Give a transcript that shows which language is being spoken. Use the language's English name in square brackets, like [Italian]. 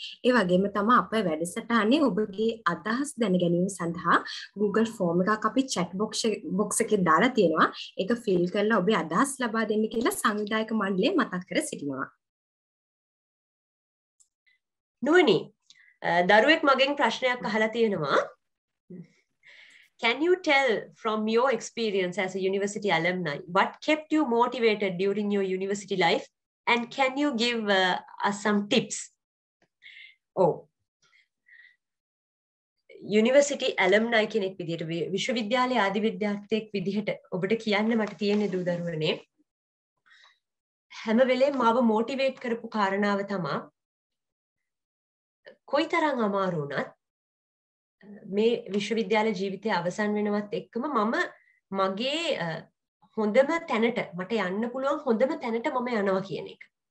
[Sinhala] ඒ වගේම තමයි අප වැඩසටහනේ ඔබගේ අදහස් දැනගැනීම සඳහා Google Form එකක් අපි chat box එකේ දාලා තියෙනවා. ඒක fill කරලා ඔබේ අදහස් ලබා දෙන්න කියලා සංවිධායක මණ්ඩලය මතක් කර සිටිනවා. නුවනි, දරුවෙක් මගෙන් ප්‍රශ්නයක් අහලා තියෙනවා. [English] Can you tell from your experience as a university alumni what kept you motivated during your university life, and can you give us some tips? [Sinhala] Oh, university alumni කෙනෙක් විදිහට විශ්වවිද්‍යාලයේ ආදි විද්‍යාර්ථියෙක් විදිහට ඔබට කියන්න මට තියෙන දූ දරුවනේ, හැම වෙලේම මාව motivate කරපු කාරණාව තමයි කොයිතරම් අමාරු වුණත් මේ විශ්වවිද්‍යාල ජීවිතය අවසන් වෙනවත් එක්කම මම මගේ හොඳම තැනට, මට යන්න පුළුවන් හොඳම තැනට මම යනවා කියන එක.